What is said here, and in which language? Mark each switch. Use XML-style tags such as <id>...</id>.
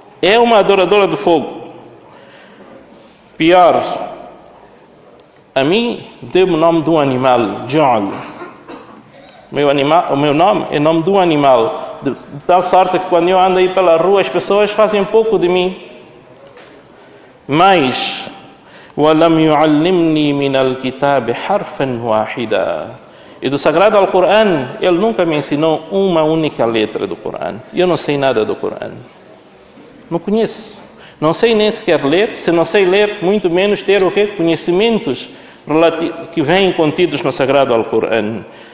<pt>É uma adoradora do fogo. Pior, a mim deu-me o nome de um animal, John. O meu nome é nome de um animal. De tal sorte que quando eu ando aí pela rua, as pessoas fazem pouco de mim.</pt> <ar>Mas, وَلَمْ يُعَلِّمْنِي مِنَ الْكِتَابِ حَرْفًا وَاحِدًا.</ar> <pt>E do Sagrado ao Corão, ele nunca me ensinou uma única letra do Corão. Eu não sei nada do Corão. Não conheço. Não sei nem sequer ler. Se não sei ler, muito menos ter o quê? Conhecimentos que vêm contidos no Sagrado ao Corão.</pt>